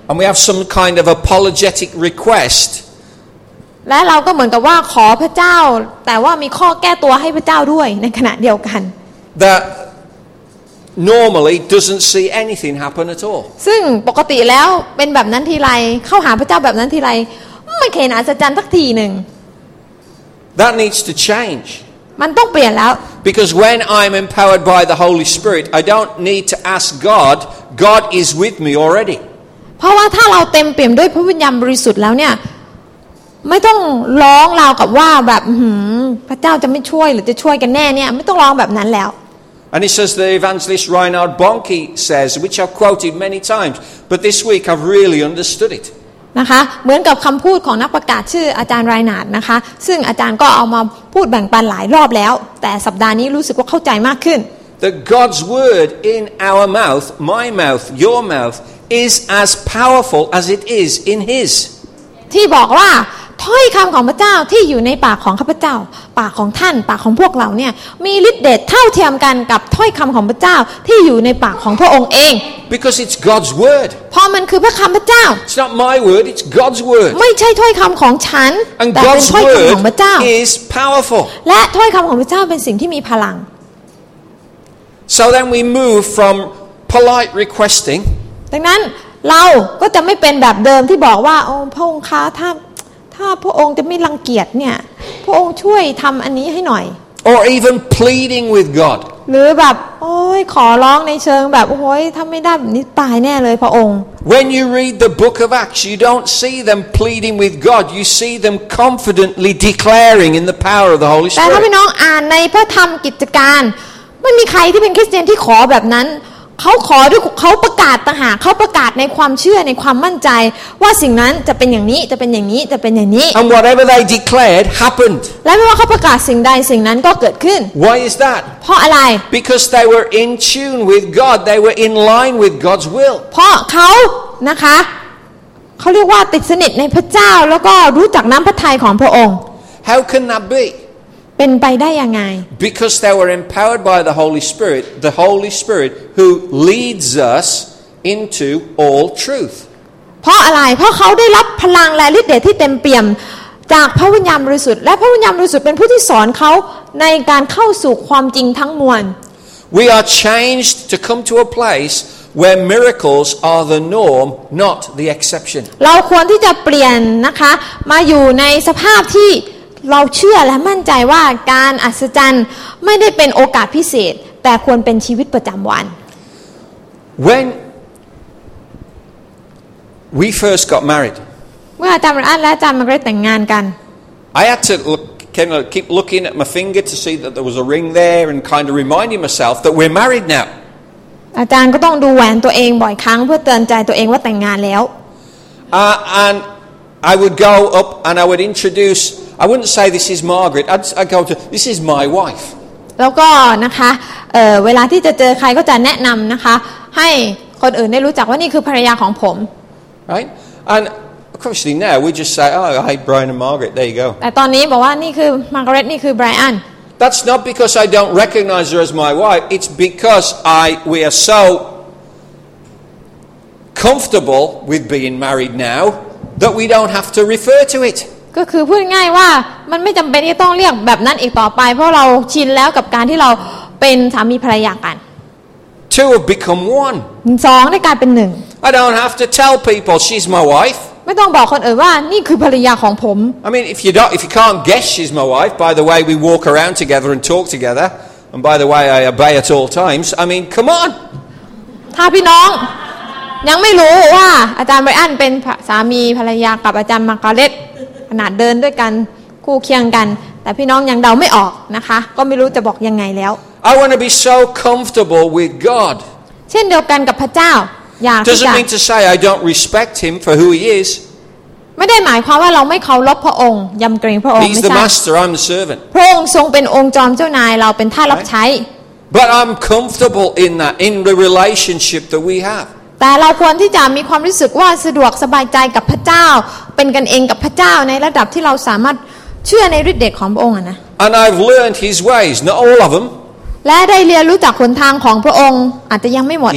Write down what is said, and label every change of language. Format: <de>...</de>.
<en>And we have some kind of apologetic request</en> <th>และเราก็เหมือนกับว่าขอพระเจ้าแต่ว่ามีข้อแก้ตัวให้พระเจ้าด้วยในขณะเดียวกัน</th> <en>That normally doesn't see anything happen at all</en> <th>ซึ่งปกติแล้วเป็นแบบนั้นทีไรเข้าหาพระเจ้าแบบนั้นทีไรไม่เคยอัศจรรย์สักทีหนึ่ง</th> <en>That needs to change</en> <th>มันต้องเปลี่ยนแล้ว</th> <en>Because when I'm empowered by the Holy Spirit I don't need to ask God God is with me already</en> <th>เพราะว่าถ้าเราเต็มเปี่ยมด้วยพระวิญญาณบริสุทธิ์แล้วเนี่ยไม่ต้องร้องราวกับว่าแบบพระเจ้าจะไม่ช่วยหรือจะช่วยกันแน่เนี่ยไม่ต้องร้องแบบนั้นแล้ว</th> <en>And it says the evangelist Reinhard Bonnke says which I've quoted many times but this week I've really understood it</en> <th>นะคะเหมือนกับคำพูดของนักประกาศชื่ออาจารย์ไรนาร์ดนะคะซึ่งอาจารย์ก็เอามาพูดแบ่งปันหลายรอบแล้วแต่สัปดาห์นี้รู้สึกว่าเข้าใจมากขึ้น</th> <en>The God's word in our mouth my mouth your mouth is as powerful as it is in his</en> <th>ที่บอกว่าถ้อยคำของพระเจ้าที่อยู่ในปากของข้าพเจ้าปากของท่านปากของพวกเราเนี่ยมีฤทธิ์เดชเท่าเทียมกันกับถ้อยคำของพระเจ้าที่อยู่ในปากของพระองค์เอง</th> <en>Because it's God's word</en> <th>เพราะมันคือพระคำพระเจ้า</th> <en>It's not my word it's God's word</en> <th>ไม่ใช่ถ้อยคำของฉันแต่เป็นถ้อยคำของพระเจ้า</th> <en>is powerful</en> <th>และถ้อยคำของพระเจ้าเป็นสิ่งที่มีพลัง</th> <en>So then we move from polite requesting</en> <th>ดังนั้นเราก็จะไม่เป็นแบบเดิมที่บอกว่าโอ้พระองค์คะท่านถ้าพระองค์จะไม่รังเกียจเนี่ยพระองค์ช่วยทำอันนี้ให้หน่อย</th> <en>Or even pleading with God</en> <th>หรือแบบโอ้ยขอร้องในเชิงแบบโอ้ยถ้าไม่ได้แบบนี้ตายแน่เลยพระองค์</th> <en>When you read the book of Acts you don't see them pleading with God you see them confidently declaring in the power of the Holy Spirit</en> <th>แต่ถ้าพี่น้องอ่านในพระธรรมกิจการไม่มีใครที่เป็นคริสเตียนที่ขอแบบนั้นเขาขอด้วยเขาประกาศต่างหากเขาประกาศในความเชื่อในความมั่นใจว่าสิ่งนั้นจะเป็นอย่างนี้จะเป็นอย่างนี้จะเป็นอย่างนี้</th> <en>And whatever they declared happened</en> <th>และไม่ว่าเขาประกาศสิ่งใดสิ่งนั้นก็เกิดขึ้น</th> <en>Why is that</en> <th>เพราะอะไร</th> <en>Because they were in tune with God they were in line with God's will</en> <th>เพราะเขานะคะเขาเรียกว่าติดสนิทในพระเจ้าแล้วก็รู้จักน้ำพระทัยของพระองค์</th> <en>How can that be</en> <th>เป็นไปได้ยังไง</th> <en>Because they were empowered by the Holy Spirit who leads us into all truth.</en> <th>เพราะอะไรเพราะเขาได้รับพลังและฤทธิ์เดชที่เต็มเปี่ยมจากพระวิญญาณบริสุทธิ์และพระวิญญาณบริสุทธิ์เป็นผู้ที่สอนเขาในการเข้าสู่ความจริงทั้งมวล</th> <en>We are changed to come to a place where miracles are the norm, not the exception.</en> <th>เราควรที่จะเปลี่ยนนะคะมาอยู่ในสภาพที่เราเชื่อและมั่นใจว่าการอัศจรรย์ไม่ได้เป็นโอกาสพิเศษแต่ควรเป็นชีวิตประจำวัน</th> <en>When we first got married</en> <th>เมื่ออาจารย์มาร์กและอาจารย์มาร์กแต่งงานกัน</th> <en>I had to keep looking at my finger to see that there was a ring there and kind of reminding myself that we're married now</en> <th>อาจารย์ก็ต้องดูแหวนตัวเองบ่อยครั้งเพื่อเตือนใจตัวเองว่าแต่งงานแล้ว</th> <en>And I would go up and I would introduceI wouldn't say this is Margaret. I'd go to this is my wife.</en> <th>แล้วก็นะคะเวลาที่จะเจอใครก็จะแนะนำนะคะให้คนอื่นได้รู้จักว่านี่คือภรรยาของผม</th> <en>Right? And of course, now we just say, "Oh, hi, Brian and Margaret." There you go.</en> <th>แต่ตอนนี้บอกว่านี่คือ Margaret, นี่คือ Brian.</th> <en>That's not because I don't recognize her as my wife. It's because we are so comfortable with being married now that we don't have to refer to it.</en> <th>ก็คือพูดง่ายว่ามันไม่จำเป็นที่ต้องเรียกแบบนั้นอีกต่อไปเพราะเราชินแล้วกับการที่เราเป็นสามีภรรยากัน</th> <en>Two have become one</en> <th>สองได้กลายเป็นหนึ่ง</th> <en>I don't have to tell people she's my wife</en> <th>ไม่ต้องบอกคนอื่นว่านี่คือภรรยาของผม</th> <en>I mean if you can't guess she's my wife by the way we walk around together and talk together and by the way I obey at all times I mean come on</en> <th>ถ้าพี่น้อง ยังไม่รู้ว่าอาจารย์ไบรอันเป็นสามีภรรยากับอาจารย์มาร์กาเร็ตขนาดเดินด้วยกันคู่เคียงกันแต่พี่น้องยังเดาไม่ออกนะคะก็ไม่รู้จะบอกยังไงแล้ว</th> <en>I want to be so comfortable with God</en> <th>เช่นเดียวกันกับพระเจ้าอยากจะ</th> <en>Doesn't mean to say I don't respect him for who he is</en> <th>ไม่ได้หมายความว่าเราไม่เคารพพระองค์ยำเกรงพระองค์</th> <en>He's the master I'm the servant</en> <th>พระองค์ทรงเป็นองค์จอมเจ้านายเราเป็นทาสรับใช้</th> <en>But I'm comfortable in that in the relationship that we have</en> <th>แต่เราควรที่จะมีความรู้สึกว่าสะดวกสบายใจกับพระเจ้าเป็นกันเองกับพระเจ้าในระดับที่เราสามารถเชื่อในฤทธิ์เดชของพระองค์นะ</th> <en>And I've learned his ways not all of them</en> <th>และได้เรียนรู้จากหนทางของพระองค์อาจจะยังไม่หมด</th>